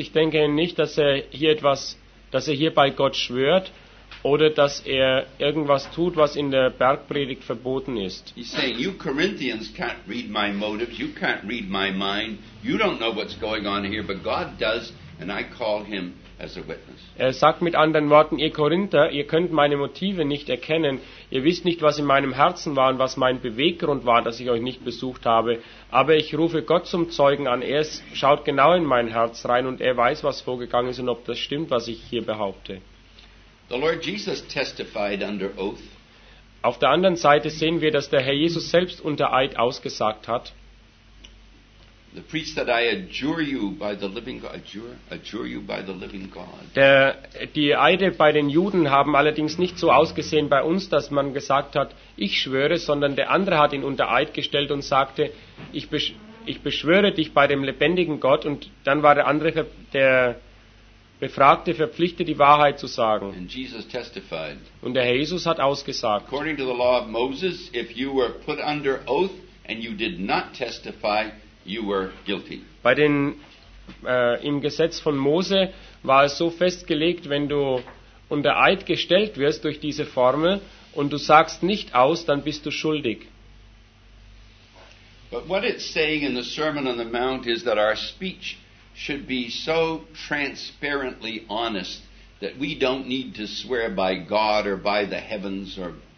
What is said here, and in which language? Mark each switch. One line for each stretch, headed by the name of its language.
German: Ich denke nicht, dass er hier bei Gott schwört oder dass er irgendwas tut, was in der Bergpredigt verboten ist.
English: He's saying, you Corinthians can't read my motives, you can't read my mind, you don't know what's going on here, but God does, and I call him as a witness.
German: Er sagt mit anderen Worten, ihr Korinther, ihr könnt meine Motive nicht erkennen, ihr wisst nicht, was in meinem Herzen war und was mein Beweggrund war, dass ich euch nicht besucht habe, aber ich rufe Gott zum Zeugen an, er schaut genau in mein Herz rein und er weiß, was vorgegangen ist und ob das stimmt, was ich hier behaupte.
English: The Lord Jesus testified under oath.
German: Auf der anderen Seite sehen wir, dass der Herr Jesus selbst unter Eid ausgesagt hat.
English: The priest that I adjure you by the living God. Adjure you by the living God.
German: Die Eide bei den Juden haben allerdings nicht so ausgesehen bei uns, dass man gesagt hat, ich schwöre, sondern der andere hat ihn unter Eid gestellt und sagte, ich beschwöre dich bei dem lebendigen Gott. Und dann war der andere, der Befragte, verpflichtet, die Wahrheit zu sagen.
English: And Jesus testified.
German: Und der Jesus hat ausgesagt.
English: According to the law of Moses, if you were put under oath and you did not testify, you were guilty.
German: Bei den im Gesetz von Mose war es so festgelegt, wenn du unter Eid gestellt wirst durch diese Formel und du sagst nicht aus, dann bist du schuldig.
English: But what it's saying in the Sermon on the Mount is that our speech should be so transparently honest that we don't need to swear by God or by the heavens or